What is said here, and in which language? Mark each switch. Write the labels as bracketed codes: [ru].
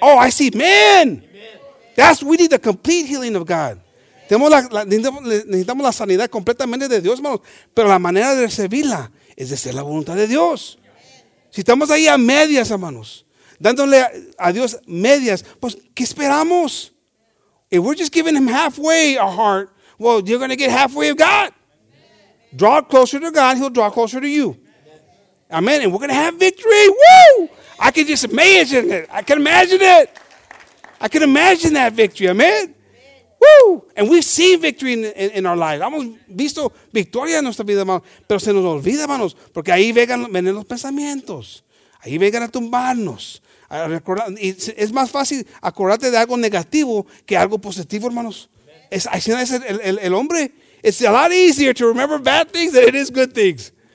[en] Oh, I see men. We need the complete healing of God. [es] Necesitamos la sanidad completamente de Dios, hermanos. Pero la manera de recibirla es de ser la voluntad de Dios. Si estamos ahí a medias, hermanos, dándole a Dios medias, pues, ¿qué esperamos? [en] If we're just giving him halfway our heart, well, you're going to get halfway of God. Draw closer to God, he'll draw closer to you. Amen. And we're going to have victory. Woo! I can just imagine it. I can imagine it. I can imagine that victory. Amen. Woo! And we've seen victory in our lives. [es] Hemos visto victoria en nuestra vida, hermanos. Pero se nos olvida, hermanos, porque ahí vienen los pensamientos. Ahí vengan a tumbarnos. A recordar. Y es más fácil acordarte de algo negativo que algo positivo, hermanos. Es el hombre. [en] It's a lot easier to remember bad things than it is good things.